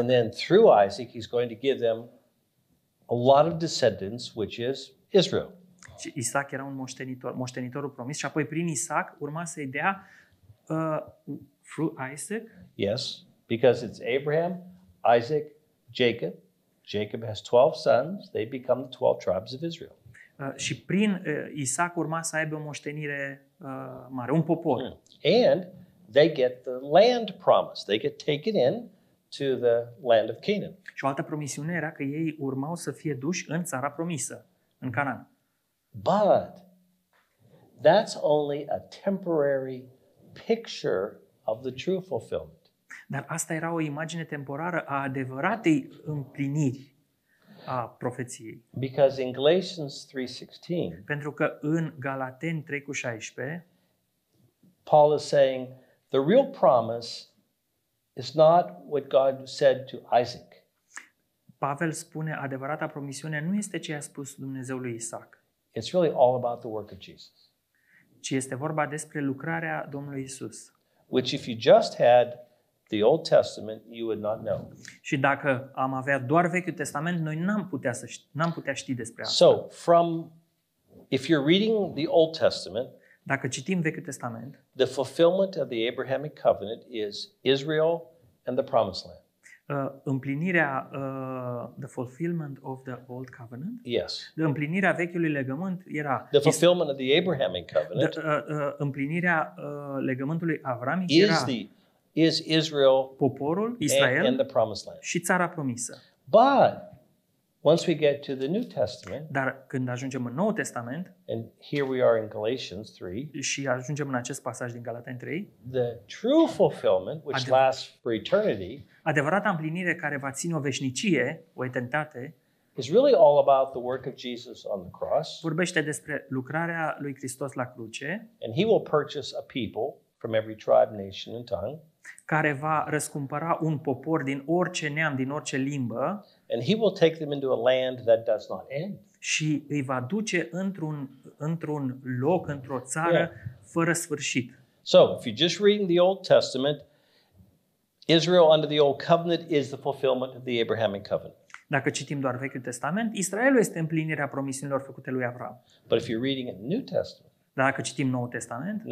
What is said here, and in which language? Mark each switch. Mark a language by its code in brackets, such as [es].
[en] And then through Isaac he's going to give them a lot of descendants, which is Israel. [ro] Și Isaac era un moștenitorul promis și apoi prin Isaac urma să-i dea [en] through Isaac. Yes, because it's Abraham, Isaac, Jacob. Jacob has 12 sons, they become the 12 tribes of Israel. [ro] Și prin Isaac urma să aibă o moștenire mare, un popor. Mm. [en] And they get the land promise. They get taken in to the land of Canaan. [ro] Și o altă promisiune era că ei urmau să fie duși în țara promisă, în Canaan. [en] But that's only a temporary picture of the true fulfillment. [ro] Dar asta era o imagine temporară a adevăratei împliniri. a profeției. [en] Because in Galatians 3:16, [ro] pentru că în Galateni 3:16, [en] Paul is saying the real promise is not what God said to Isaac. [ro] Pavel spune adevărata promisiune nu este ce i-a spus Dumnezeu lui Isaac. [en] It's really all about the work of Jesus. [ro] Ci este vorba despre lucrarea Domnului Isus. [en] Which if you just had the Old Testament, you would not know. [ro] Și dacă am avea doar Vechiul Testament, noi n-am putea ști despre asta. [en] So, from if you're reading the Old Testament, [ro] dacă citim Vechiul Testament, [en] the fulfillment of the Abrahamic covenant is Israel and the Promised Land. The fulfillment of the old covenant. Yes. [ro] De împlinirea vechiului legământ era. [en] The fulfillment of the Abrahamic covenant. [ro] Împlinirea legământului avramic era. [en] Is Israel. [ro] Poporul Israel. [en] And the promised land. [ro] Și țara promisă. [en] But once we get to the New Testament. [ro] Dar când ajungem în Noul Testament. [en] And here we are in Galatians 3. [ro] Și ajungem în acest pasaj din Galateni 3. [en] The true fulfillment, which lasts for eternity. [ro] Adevărata împlinire care va ține o veșnicie, o eternitate, [en] is really all about the work of Jesus on the cross. [ro] Vorbește despre lucrarea lui Hristos la cruce. [en] And he will purchase a people from every tribe, nation and tongue. [ro] Care va răscumpăra un popor din orice neam, din orice limbă. [en] And he will take them into a land that does not end. [ro] Și îi va duce într-un loc, într-o țară fără sfârșit. [en] So, if you're just reading the Old Testament, Israel under the old covenant is the fulfillment of the Abrahamic covenant. [ro] Dacă citim doar Vechiul Testament, Israelul este împlinirea promisiunilor făcute lui Avram. [en] But if you're reading the New Testament. [ro] Dacă citim Noul Testament?